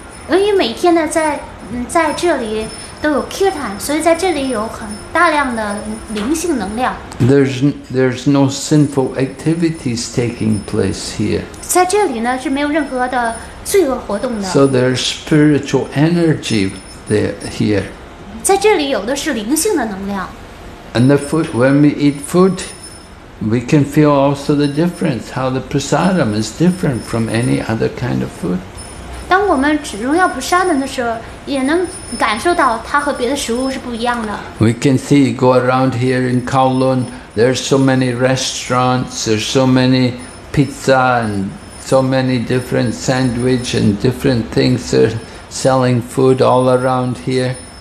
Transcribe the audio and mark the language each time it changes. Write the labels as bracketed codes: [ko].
[zh] 因为每天呢，在这里都有 Kirtan, 所以在这里有很大量的灵性能量。 [en] There's no sinful activities taking place here. [zh] 在这里呢是没有任何的罪恶活动的。 [en] So there's spiritual energy here. [zh] 在这里有的是灵性的能量。 [en] And the food, when we eat food. We can feel also the difference, how the prasadam is different from any other kind of food. [zh] 当我们吃荣耀普沙的时候，也能感受到它和别的食物是不一样的。 [en] We can see, go around here in Kowloon, there's so many restaurants, there's so many pizza and so many different sandwich and different things they're selling food all around here.